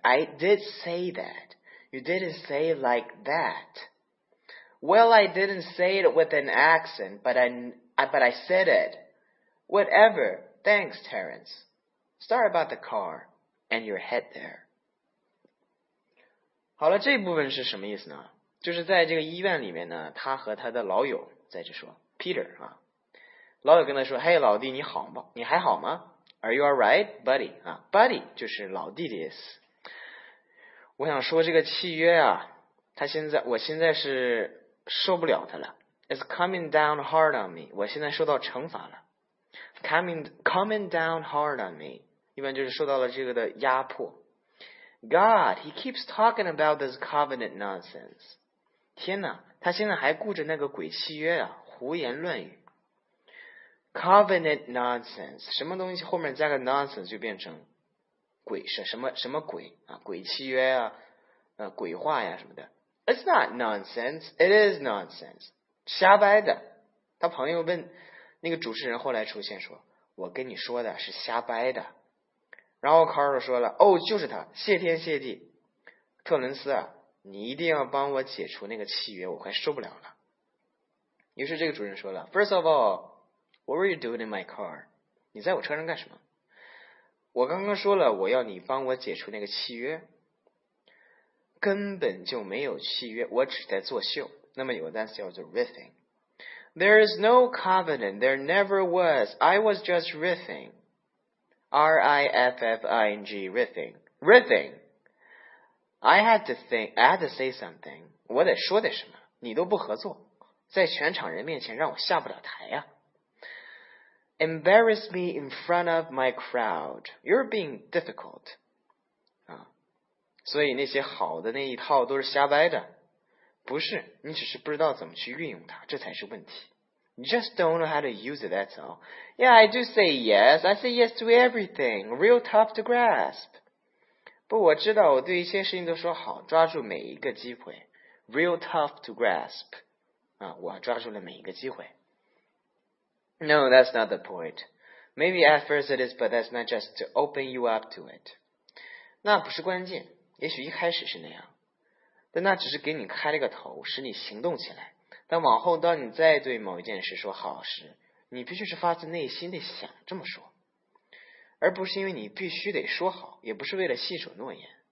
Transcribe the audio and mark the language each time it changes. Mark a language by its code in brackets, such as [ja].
[en] I did say that. You didn't say it like that. Well, I didn't say it with an accent, but I said it. Whatever. Thanks, Terence. Sorry about the car and your head there. [zh] 好了，这部分是什么意思呢？就是在这个医院里面呢，他和他的老友在这说 ，Peter 啊，老友跟他说：“嘿，老弟，你好吗？你还好吗 ？ [en] Are you alright, buddy？” [zh] 啊 ，buddy 就是老弟的意思。我想说这个契约啊，我现在是受不了他了。 [en] It's coming down hard on me. [zh] 我现在受到惩罚了。 [en] Coming down hard on me， [zh] 一般就是受到了这个的压迫。 [en] God, he keeps talking about this covenant nonsense. [zh] 天哪，他现在还顾着那个鬼契约啊，胡言乱语。 Covenant nonsense, 什么东西后面加个 nonsense 就变成鬼，什么鬼啊，鬼契约啊，鬼话呀什么的。 [en] It's not nonsense. It is nonsense. [zh] 瞎掰的。他朋友问那个主持人，后来出现说，我跟你说的是瞎掰的。然后卡尔说了，哦，就是他，谢天谢地。特伦斯啊，你一定要帮我解除那个契约，我快受不了了。于是这个主持人说了， [en] First of all, what were you doing in my car? [zh] 你在我车上干什么？我刚刚说了，我要你帮我解除那个契约。根本就没有契约，我只在作秀。那么有个单词叫做 [en] riffing。There is no covenant, there never was. I was just riffing. R-I-F-F-I-N-G, riffing. Riffing! I had to think, I had to say something. [zh] 我得说点什么，你都不合作，在全场人面前让我下不了台呀。 [en] Embarrass me in front of my crowd. You're being difficult. [zh] 啊，所以那些好的那一套都是瞎掰的。不是，你只是不知道怎么去运用它，这才是问题。 [en] You just don't know how to use it, that's all. Yeah, I do say yes. I say yes to everything. Real tough to grasp. [zh] 不，我知道我对一些事情都说好，抓住每一个机会。 [en] Real tough to grasp. [zh] 啊，我抓住了每一个机会。 [en] No, that's not the point. Maybe at first it is, but that's not just to open you up to it. [zh] 那不是关键，也许一开始是那样，但那只是给你开了个头，使你行动起来。但往后当你再对某一件事说好时，你必须是发自内心地想这么说，而不是因为你必须得说好，也不是为了信守诺言。